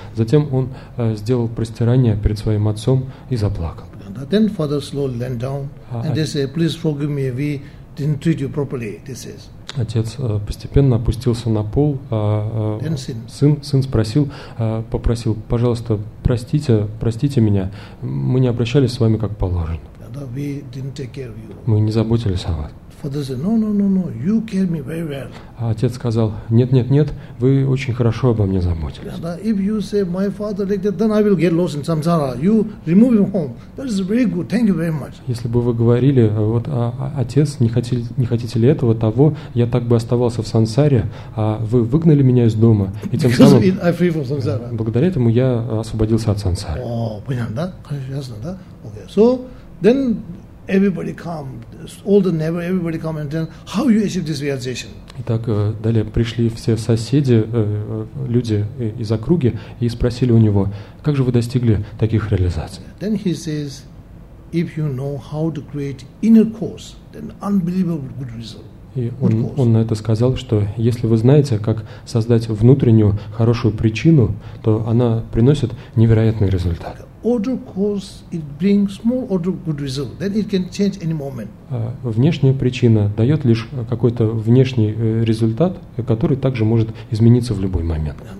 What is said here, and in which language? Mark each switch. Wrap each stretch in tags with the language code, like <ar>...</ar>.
<ru>Затем он сделал простирание перед своим отцом и заплакал.</ru> <en>Then father slowly lay down and they say, please forgive me, we didn't treat you properly, he says.</en> <ru>Отец постепенно опустился на пол, сын спросил, попросил, пожалуйста, простите меня, мы не обращались с вами как положено.</ru> <en>We didn't take care of you.</en> <ru>Мы не заботились о вас.</ru> <en>Father said, no, you care me very well.</en> <ru>Отец сказал, нет, вы очень хорошо обо мне заботились.</ru> <en>If you say my father like that, then I will get lost in samsara. You remove him home. That is very good. Thank you very much.</en> <ru>Если бы вы говорили, вот отец, не хотите ли этого того, я так бы оставался в сансаре, а вы выгнали меня из дома, и тем самым</ru> <en>I free from samsara.</en> <ru>Благодаря этому я освободился от сансары. Понятно, да? Ясно, да?</ru> <en>Okay. So then everybody come, all the neighbor, everybody come and tell, how you achieve this realization?</en> <ru>Итак, далее пришли все соседи, люди из округи, и спросили у него, как же вы достигли таких реализаций?</ru> <en>Then he says, if you know how to create inner course, then unbelievable good result.</en> <ru>И он на это сказал, что если вы знаете, как создать внутреннюю хорошую причину, то она приносит невероятный результат.</ru> <en>Order cause it brings small order good result. Then it can change any moment.</en> <ru>Внешняя причина дает лишь какой-то внешний результат, который также может измениться в любой момент.</ru>